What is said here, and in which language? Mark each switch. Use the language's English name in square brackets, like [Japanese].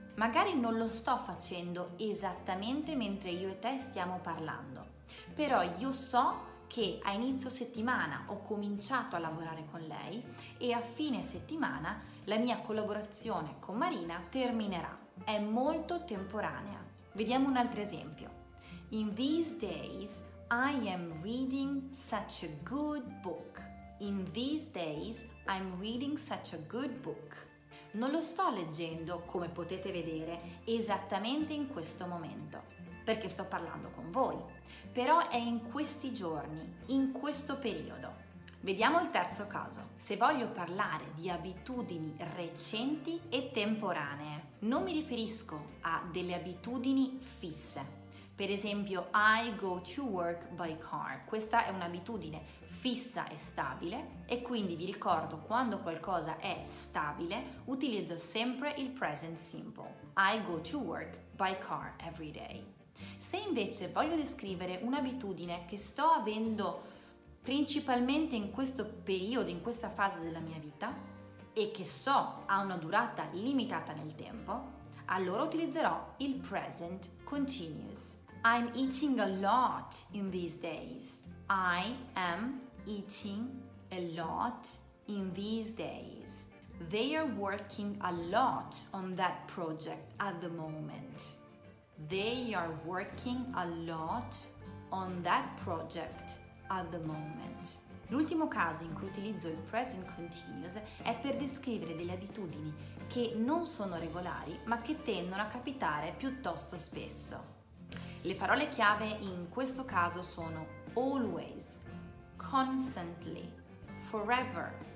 [Italian] Magari non lo sto facendo esattamente mentre io e te stiamo parlando, però io so che a inizio settimana ho cominciato a lavorare con lei e a fine settimana la mia collaborazione con Marina terminerà. È molto temporanea. Vediamo un altro esempio. [English] In these days I am reading such a good book. In these days I'm reading such a good book. [Italian] Non lo sto leggendo, come potete vedere, esattamente in questo momento, perché sto parlando con voi. Però è in questi giorni, in questo periodo. Vediamo il terzo caso. Se voglio parlare di abitudini recenti e temporanee, non mi riferisco a delle abitudini fisse. Per esempio, [English] I go to work by car. [Italian] Questa è un'abitudine fissa e stabile e quindi vi ricordo, quando qualcosa è stabile, utilizzo sempre il present simple. [English] I go to work by car every day. [Italian] Se invece voglio descrivere un'abitudine che sto avendo principalmente in questo periodo, in questa fase della mia vita e che so ha una durata limitata nel tempo, allora utilizzerò il present continuous. [English] I'm eating a lot in these days. I am eating a lot in these days. They are working a lot on that project at the moment. They are working a lot on that project at the moment. [Italian] L'ultimo caso in cui utilizzo il present continuous è per descrivere delle abitudini che non sono regolari, ma che tendono a capitare piuttosto spesso. Le parole chiave in questo caso sono always, constantly, forever.